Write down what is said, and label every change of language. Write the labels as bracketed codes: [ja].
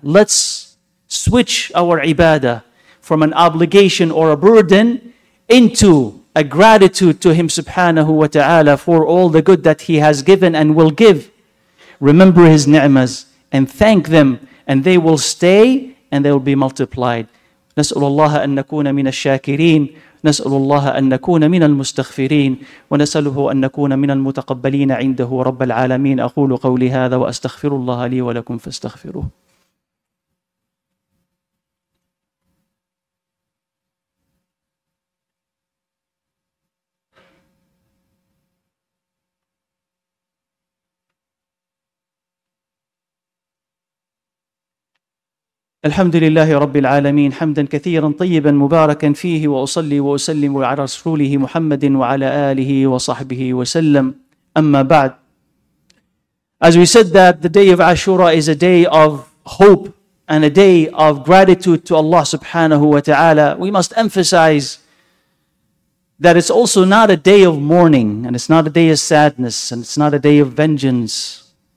[en] Let's switch our ibadah from an obligation or a burden into a gratitude to Him subhanahu wa ta'ala for all the good that He has given and will give. Remember His ni'mas and thank them, and they will stay and they will be multiplied. [ar] نسأل الله أن نكون من الشاكرين نسأل الله أن نكون من المستغفرين ونسأله أن نكون من المتقبلين عنده رب العالمين. أقول قولي هذا وأستغفر الله لي ولكم فاستغفروه. الحمد لله رب العالمين حمدا كثيرا طيبا مباركا فيه وأصلي وأسلم على رسوله محمد وعلى آله وصحبه وسلم. أما بعد, [en] as we said that the day of Ashura is a day of hope and a day of gratitude to Allah subhanahu wa ta'ala, we must emphasize that it's also not a day of mourning, and it's not a day of sadness, and it's not a day of vengeance.